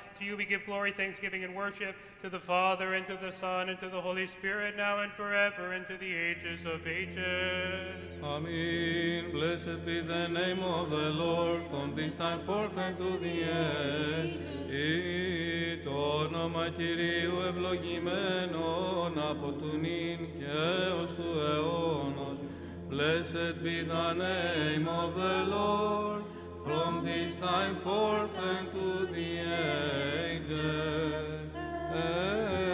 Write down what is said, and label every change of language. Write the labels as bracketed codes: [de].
[en] To you we give glory, thanksgiving, and worship, to the Father, and to the Son, and to the Holy Spirit, now and forever, and to the ages of ages. Amen. Blessed be the name of the Lord, from this time forth and to the end. [el] Το όνομα Κυρίου ευλογημένον από του νυν και ως του αιώνος. [en] Blessed be the name of the Lord, from this time forth and to the ages.